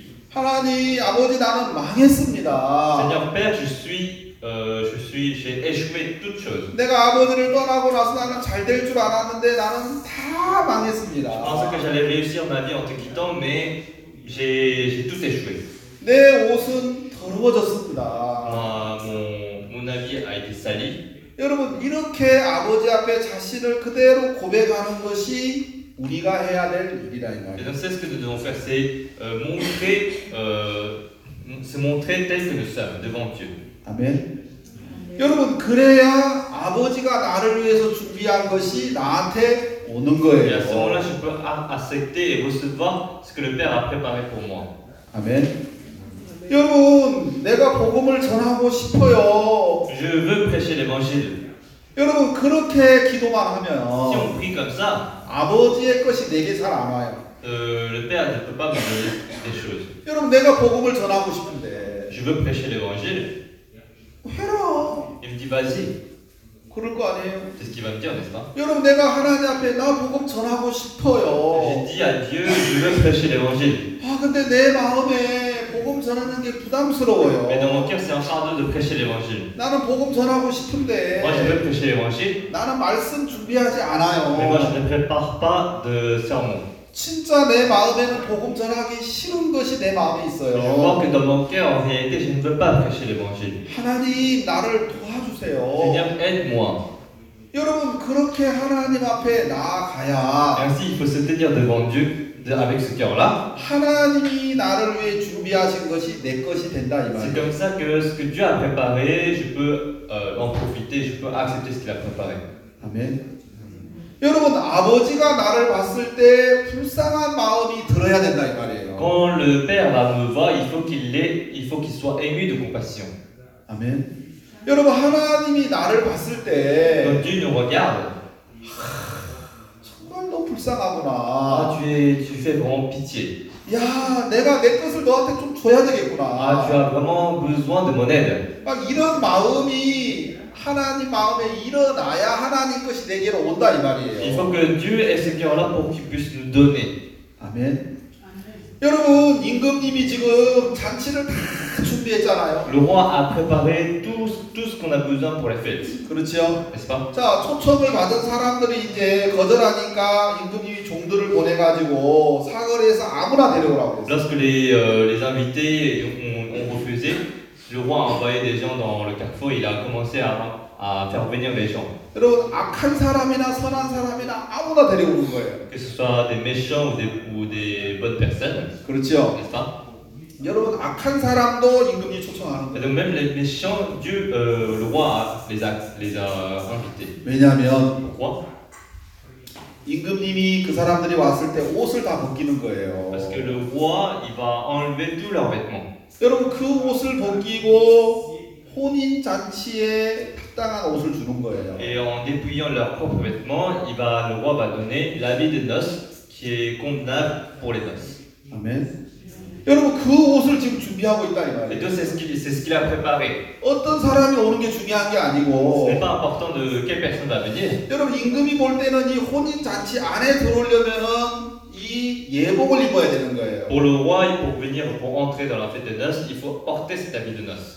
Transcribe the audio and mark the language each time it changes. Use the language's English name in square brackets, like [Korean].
[Korean] 하나님 아버지 나는 망했습니다. [French] Seigneur père, j'ai échoué toute chose. [Korean] 내가 아버지를 떠나고 나서 나는 잘 될 줄 알았는데 나는 다 망했습니다. [French] Je pensais que j'allais réussir ma vie en te quittant, mais j'ai tout échoué. [Korean] 내 옷은 더러워졌습니다. [French] Mon habit a été sali. [Korean] 여러분 이렇게 아버지 앞에 자신을 그대로 고백하는 것이 우리가 해야 될 일이다 이 말이에요. [French] C'est ce que nous devons faire, c'est montrer tel que nous sommes devant Dieu. [Korean] 아멘. 여러분 그래야 아버지가 나를 위해서 준비한 것이 나한테 오는 거예요. [French] À ce moment-là, je peux accepter et recevoir ce que le Père a préparé pour moi. [Korean] 아멘. 여러분, 내가 복음을 전하고 싶어요. [French] Je veux prêcher l'évangile. [Korean] 여러분, 그렇게 기도만 하면 [French] Si on prie comme ça, [Korean] 아버지의 것이 내게 잘 안 와요. [French] Le Père ne peut pas me donner des choses. [Korean] 여러분, 내가 복음을 전하고 싶은데 [French] Je veux prêcher l'évangile. [Korean] 해라. [French] Il me dit, vas-y. [Korean] 그럴 거 아니에요. [French] C'est ce qu'il va me dire, n'est-ce pas? [Korean] 여러분, 내가 하나님 앞에 나 복음 전하고 싶어요. [French] J'ai dit à Dieu, je veux prêcher l'évangile. [Korean] 아, 근데 내 마음에 복음 전하는 게 부담스러워요. [French] Mais dans mon cœur, c'est un fardeau de prêcher l'évangile. [Korean] 나는 복음 전하고 싶은데. [French] Moi, je veux prêcher l'évangile. [Korean] 나는 말씀 준비하지 않아요. [French] Mais moi, je ne prépare pas de sermon. [Korean] 진짜 내 마음에는 복음 전하기 싫은 것이 내 마음에 있어요. [French] Je vois que dans mon cœur, en réalité, je ne veux pas prêcher l'évangile. [Korean] 하나님 나를 도와주세요. [French] Seigneur, aide-moi. [Korean] 여러분 그렇게 하나님 앞에 나아가야. [French] Ainsi, il faut se tenir devant Dieu. Avec ce cœur-là, [Korean] 하나님이 나를 위해 준비하신 것이 내 것이 된다 이 말. [French] C'est comme ça que ce que Dieu a préparé, je peux en profiter, je peux accepter ce qu'il a préparé. Amen. [Korean] 여러분 아버지가 나를 봤을 때 불쌍한 마음이 들어야 된다 이 말이에요. [French] Quand le Père va me voir, il faut qu'il soit ému de compassion. Amen. [Korean] 여러분 하나님이 나를 봤을 때. [French] Quand Dieu nous regarde. [Korean] 불쌍하구나. [French] 아, tu fais vraiment pitié. [Korean] 야, 내가 내 것을 너한테 좀 줘야 되겠구나. [French] 아, tu as vraiment besoin de mon aide. [Korean] 막 이런 마음이 하나님 마음에 일어나야 하나님 것이 내게로 온다 이 말이에요. [French] Il faut que Dieu ait ce cœur-là pour qu'il puisse nous donner. [Korean] 아멘. 여러분, 임금님이 지금 잔치를 다 준비했잖아요. [French] Le roi a préparé tout ce qu'on a besoin pour les fêtes. [Korean] 그렇죠? [French] N'est-ce pas? [Korean] 자, 초청을 받은 사람들이 이제 거절하니까 임금님이 종들을 보내 가지고 사거리에서 아무나 데려오라고 했어요. [French] Lorsque les invités ont refusé, le roi a envoyé des gens dans le carrefour et il a commencé à faire venir les gens. [Korean] 여러분, 악한 사람이나 선한 사람이나 아무나 데리고 오는 거예요. [French] Que ce soit des méchants ou des bonnes personnes. [Korean] 그렇죠. [French] N'est-ce pas? [Korean] 여러분, 악한 사람도 임금님 초청하는 거예요. [French] Donc même les méchants, Dieu, le roi les a invités. [Korean] 왜냐하면 [French] Pourquoi? [Korean] 임금님이 그 사람들이 왔을 때 옷을 다 벗기는 거예요. [French] Parce que le roi, il va enlever tous leurs vêtements. [Korean] 여러분, 그 옷을 벗기고 혼인 잔치에 합당한 옷을 주는 거예요. [French] Et en dépouillant leurs propres vêtements, le roi va donner l'habit de noces qui est convenable pour les noces. Amen. [Korean] 여러분 그 옷을 지금 준비하고 있다 이 말이에요. [French] Et donc c'est ce qu'il a préparé. [Korean] 어떤 사람이 오는 게 중요한 게 아니고. [French] C'est pas important de quelle personne va venir. [Korean] 여러분 임금이 볼 때는 이 혼인 잔치 안에 들어오려면은 이 예복을 입어야 되는 거예요. [French] Pour le roi, pour venir, pour entrer dans la fête de noces, il faut porter cet habit de noces.